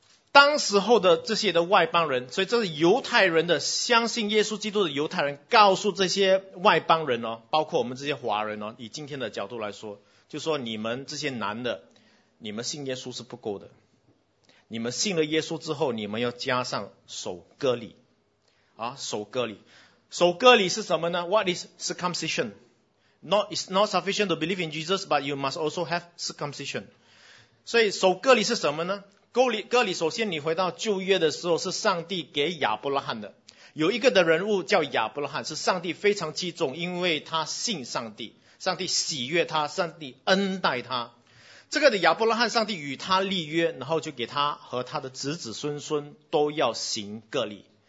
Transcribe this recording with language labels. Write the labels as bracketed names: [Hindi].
[Chinese] 当时候的这些的外邦人，所以这是犹太人的，相信耶稣基督的犹太人告诉这些外邦人哦，包括我们这些华人哦，以今天的角度来说，就说你们这些男的，你们信耶稣是不够的，你们信了耶稣之后，你们要加上守割礼啊，守割礼。守割礼是什么呢？ [English] What is circumcision? Not, it's not sufficient to believe in Jesus, but you must also have circumcision. [Chinese] 所以守割礼是什么呢？割礼首先你回到旧约的时候，是上帝给亚伯拉罕的，有一个的人物叫亚伯拉罕，是上帝非常器重，因为他信上帝，上帝喜悦他，上帝恩待他，这个的亚伯拉罕上帝与他立约，然后就给他和他的子子孙孙都要行割礼。